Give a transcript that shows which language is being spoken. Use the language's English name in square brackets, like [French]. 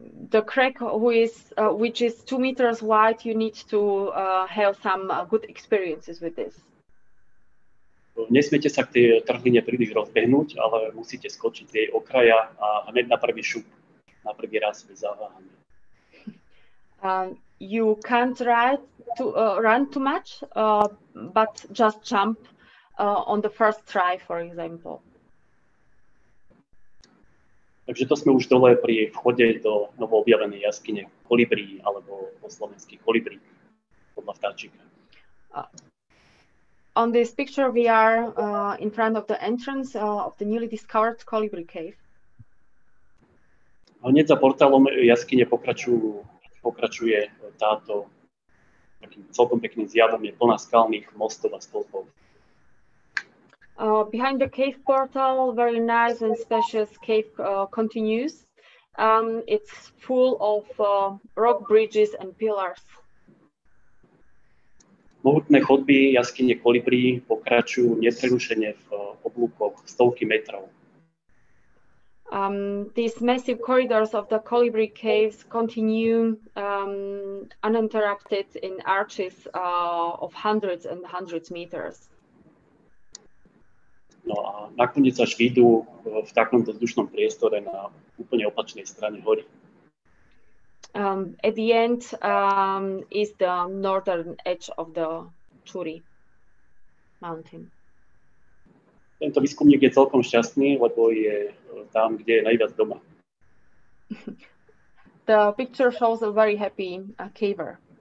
[English] The crack which is 2 meters wide, you need to have some good experiences with this. [Slovak] Nesmiete sa k tej trhline príliš rozbehnúť, ale musíte skočiť z jej okraja a hneď na prvý šup, na prvý raz bez zaváhania. [English] You can't run too much, but just jump on the first try, for example. [Slovak] Takže to sme už dole pri vchode do novoobjavenej jaskyne kolibrí, alebo po slovensky kolibrí, podľa vtáčika. [English] On this picture we are in front of the entrance of the newly discovered colibri cave. [Slovak] Hneď za portálom jaskyne pokračuje táto takým celkom pekným zjavom, je plná skalných mostov a stĺpov. [English] Behind the cave portal, very nice and spacious cave continues. It's full of rock bridges and pillars. [Slovak] Mohutné chodby jaskyne kolibrí pokračujú neprerušene v oblúkoch stovky metrov. [English] These massive corridors of the colibri caves continue uninterrupted in arches of hundreds and hundreds of meters. [Slovak] No a nakoniec až výjdu v takomto vzdušnom priestore na úplne opačnej strane hory. [English] At the end is the northern edge of the Churi mountain. [Slovak] Tento výskumník je celkom šťastný, lebo je tam, kde je najviac doma. [English] The picture shows a very happy caver.